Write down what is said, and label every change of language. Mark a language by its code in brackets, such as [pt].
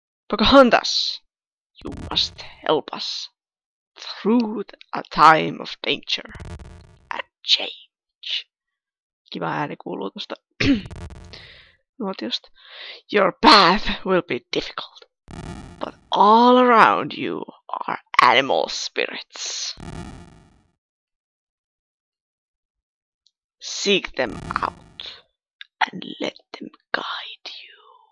[en] Pocahontas, you must help us through a time of danger and change. [fi] Kiva ääni kuuluu tosta nuotiosta. [en] Your path will be difficult, but all around you are animal spirits. Seek them out and let them guide you.